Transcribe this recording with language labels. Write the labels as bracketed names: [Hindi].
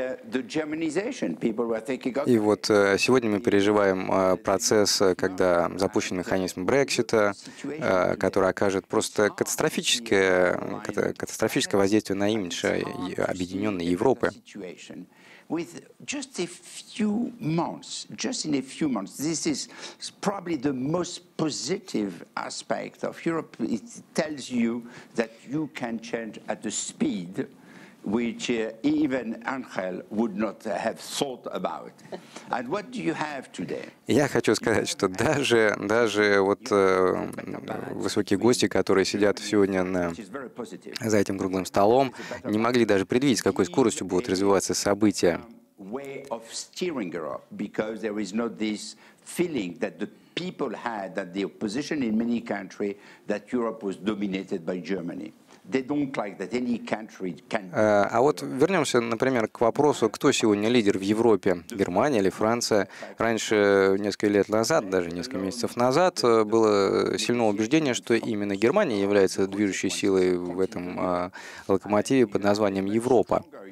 [Russian] И вот сегодня мы переживаем процесс, когда запущен механизм Брексита, который окажет просто катастрофическое воздействие на имидж Объединенной Европы. [English] With just a few months, just in a few months, this is probably the most positive aspect of Europe. It tells you that you can change at the speed which even Angel would not have thought about. And what do you have today? [Russian] Я хочу сказать, что даже вот высокие гости, которые сидят сегодня за этим круглым столом, не могли даже предвидеть, с какой скоростью будут развиваться события. [English] Way of steering Europe, because there is not this feeling that the people had, that the opposition in many countries, that Europe was dominated by Germany. [Russian] А вот вернемся, например, к вопросу, кто сегодня лидер в Европе, Германия или Франция. Раньше, несколько лет назад, даже несколько месяцев назад, было сильное убеждение, что именно Германия является движущей силой в этом локомотиве под названием Европа.